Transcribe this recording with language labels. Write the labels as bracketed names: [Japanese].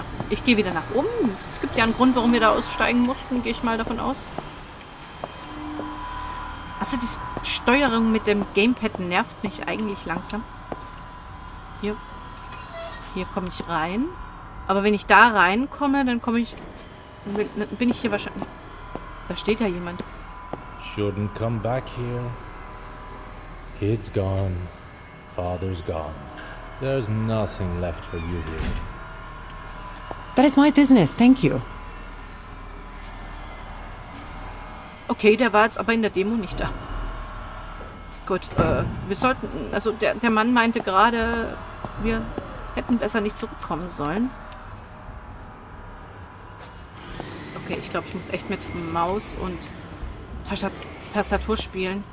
[German] Ich gehe wieder nach oben. Es gibt ja einen Grund, warum wir da aussteigen mussten, gehe ich mal davon aus. Also, Steuerung mit dem Gamepad nervt mich eigentlich langsam. Hier komme ich rein. Aber wenn ich da reinkomme, dann komme ich... bin ich hier wahrscheinlich... Da steht ja jemand. [English] Shouldn't come back here. Kid's gone. Father's gone. There's nothing left for you here. That is my business, thank you. [German] Okay, der war jetzt aber in der Demo nicht da. Gut, wir sollten... Also der Mann meinte gerade, wir hätten besser nicht zurückkommen sollen. Okay, ich glaube, ich muss echt mit Maus und Tastatur spielen.